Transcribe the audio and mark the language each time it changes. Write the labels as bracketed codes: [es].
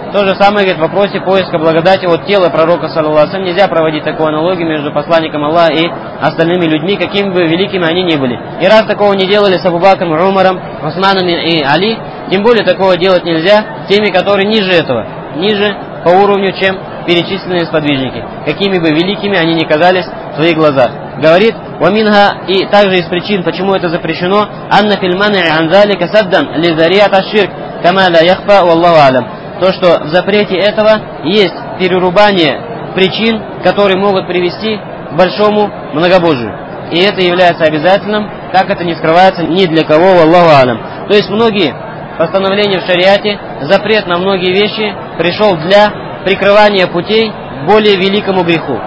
[ru] То же самое, говорит, в вопросе поиска благодати от тела пророка, саллаллаху алейхи ва саллям, нельзя проводить такую аналогию между посланником Аллаха и остальными людьми, какими бы великими они ни были. И раз такого не делали с Абу Бакром, Умаром, Усманом и Али, тем более такого делать нельзя теми, которые ниже этого, ниже по уровню, чем перечисленные сподвижники, какими бы великими они ни казались в твоих глазах. Говорит, [ar] وَمِنْهَا, [ru] и также из причин, почему это запрещено, [ar] أَنَّ فِي الْمَنَعِ عَنْ ذَلِكَ سَدًّا لِذَرِيَةَ الشِّرْكِ كَمَا لَا يَخْفَى وَاللَّهُ عَلَمْ. [ru] То, что в запрете этого есть перерубание причин, которые могут привести к большому многобожию. И это является обязательным, как это не скрывается ни для кого, [ar] وَاللَّهُ عَلَمْ. [ru] То есть многие постановления в шариате, запрет на многие вещи пришел для прикрывание путей более великому греху.